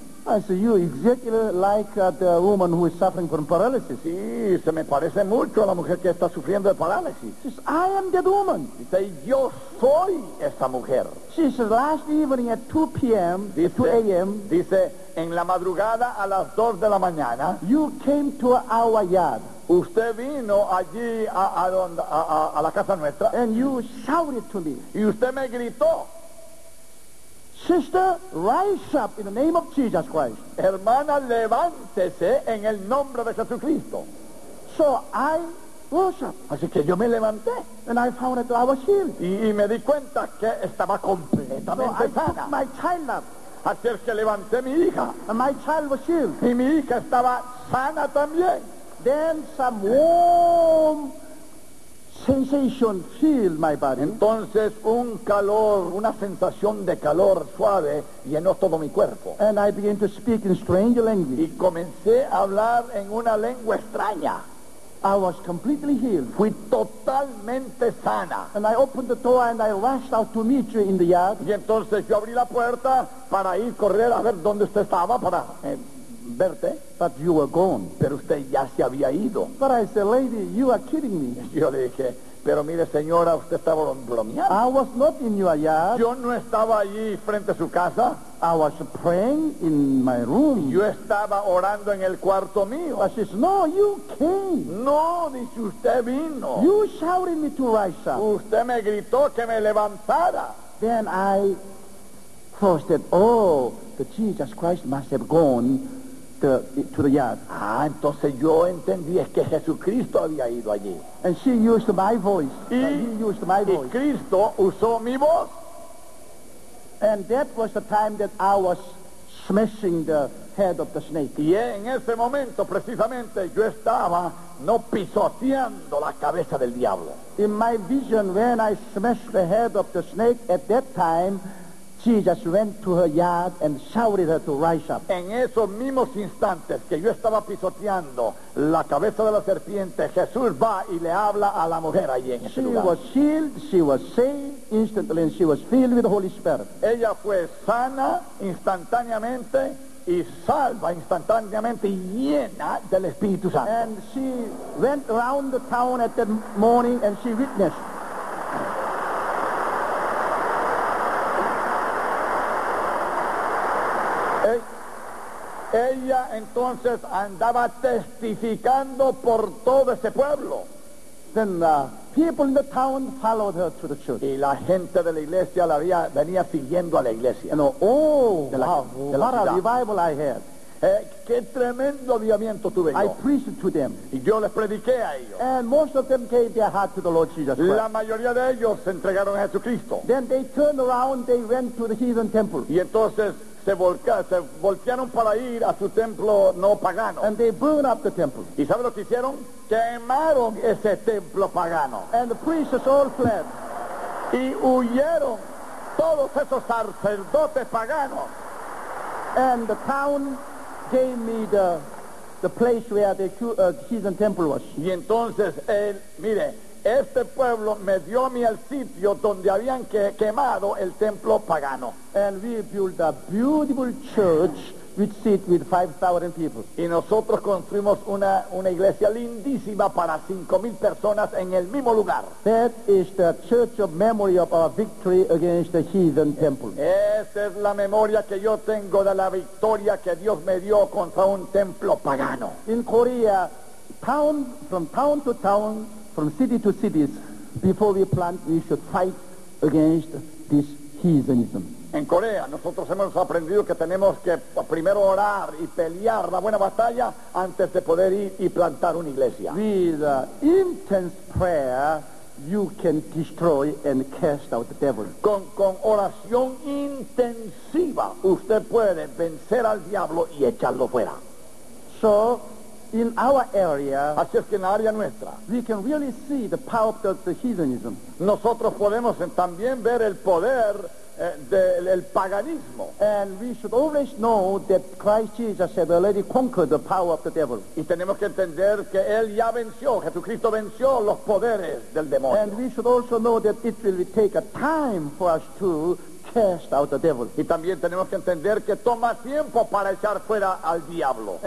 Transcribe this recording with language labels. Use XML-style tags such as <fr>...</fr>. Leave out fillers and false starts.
<en>I said, you exactly like the woman who is suffering from paralysis.</en> <es>Sí, se me parece mucho a la mujer que está sufriendo de parálisis.</es> <en>She says, I am that woman.</en> <es>Dice, yo soy esa mujer.</es> <en>She says, last evening at 2 p.m.,</en> <es>dice,</es> <en>2 a.m.,</en> <es>dice, en la madrugada a las 2 de la mañana,</es> <en>you came to our yard.</en> <es>Usted vino allí a la casa nuestra.</es> <en>And you shouted to me.</en> <es>Y usted me gritó.</es> <en>Sister, rise up in the name of Jesus Christ.</en> <es>Hermana, levántese en el nombre de Jesucristo.</es> <en>So I rose up.</en> <es>Así que yo me levanté.</es> <en>And I found that I was healed.</en> <es>Y me di cuenta que estaba completamente sana.</es> <en>So I took my child up.</en> <es>Así es que levanté mi hija.</es> <en>And my child was healed.</en> <es>Y mi hija estaba sana también.</es> <en>Then some warm sensation filled my body.</en> <es>Entonces un calor, una sensación de calor suave llenó todo mi cuerpo.</es> <en>And I began to speak in strange language.</en> <es>Y comencé a hablar en una lengua extraña.</es> <en>I was completely healed.</en> <es>Fui totalmente sana.</es> <en>And I opened the door and I rushed out to meet you in the yard.</en> <es>Y entonces yo abrí la puerta para ir correr a ver dónde usted estaba para verte.</es> <en>But you were gone.</en> <es>Pero usted ya se había ido.</es> <en>But I said, lady, you are kidding me.</en> <es>Yo le dije, pero mire señora, usted estaba bromeando.</es> <en>I was not in your yard.</en> <es>Yo no estaba allí frente a su casa.</es> <en>I was praying in my room.</en> <es>Yo estaba orando en el cuarto mío.</es> <en>But she said, no, you came.</en> <es>No, dice, usted vino.</es> <en>You shouted me to rise up.</en> <es>Usted me gritó que me levantara.</es> <en>Then I thought that, oh, the Jesus Christ must have gone to the yard.</en> <es>Ah, entonces yo entendí es que Jesucristo había ido allí.</es> <en>And she used my voice.</en> <es>Y Cristo usó mi voz.</es> <en>And that was the time that I was smashing the head of the snake.</en> <es>Y en ese momento precisamente yo estaba no pisoteando la cabeza del diablo.</es> <en>In my vision, when I smashed the head of the snake at that time, Jesus went to her yard and shouted her to rise up.</en> <es>En esos mismos instantes que yo estaba pisoteando la cabeza de la serpiente, Jesús va y le habla a la mujer allí en ese lugar.</es> <en>She was healed, she was saved instantly, and she was filled with the Holy Spirit.</en> <es>Ella fue sana instantáneamente y salva instantáneamente y llena del Espíritu Santo.</es> <en>And she went around the town at that morning and she witnessed. Okay.</en> <es>Ella entonces andaba testificando por todo ese pueblo.</es> <en>Then people in the town followed her to the church.</en> <es>Y la gente de la iglesia la había, venía siguiendo a la iglesia.</es> <en>And, oh, wow, la, what a revival I had.</en> <es>Qué tremendo avivamiento tuve yo.</es> <en>I preached to them.</en> <es>Y yo les prediqué a ellos.</es> <en>And most of them gave their heart to the Lord Jesus Christ.</en> <es>La mayoría de ellos se entregaron a Jesucristo.</es> <en>Then they turned around, they went to the heathen temple.</en> <es>Y entonces se voltearon para ir a su templo no pagano.</es> <en>And they burned up the temple.</en> <es>¿Y saben lo que hicieron? Quemaron ese templo pagano.</es> <en>And the priests all fled.</en> <es>Y huyeron todos esos sacerdotes paganos.</es> <en>And the town gave me the place where the heathen temple was.</en> <es>Y entonces, mire, este pueblo me dio a mí el sitio donde habían quemado el templo pagano.</es> <en>And we built a beautiful church which seat with 5,000 people.</en> <es>Y nosotros construimos una iglesia lindísima para 5,000 personas en el mismo lugar.</es> <en>That is the church of memory of our victory against the heathen temple.</en> <es>Esa es la memoria que yo tengo de la victoria que Dios me dio contra un templo pagano.</es> <en>In Korea, town from town to town, from city to cities, before we plant, we should fight against this heathenism.</en> <es>En Corea, nosotros hemos aprendido que tenemos que primero orar y pelear la buena batalla antes de poder ir y plantar una iglesia.</es> <en>With intense prayer, you can destroy and cast out the devil.</en> <es>Con oración intensiva, usted puede vencer al diablo y echarlo fuera.</es> <en>So, in our area,</en> <es>así es que en la área nuestra,</es> <en>we can really see the power of the heathenism.</en> <es>Nosotros podemos también ver el poder del paganismo.</es> <en>And we should always know that Christ Jesus had already conquered the power of the devil.</en> <es>Y tenemos que entender que Él ya venció, Jesucristo venció los poderes del demonio.</es> <en>And we should also know that it will take a time for us to cast out the devil.</en> <es>Y también tenemos que entender que toma tiempo para echar fuera al diablo.</es>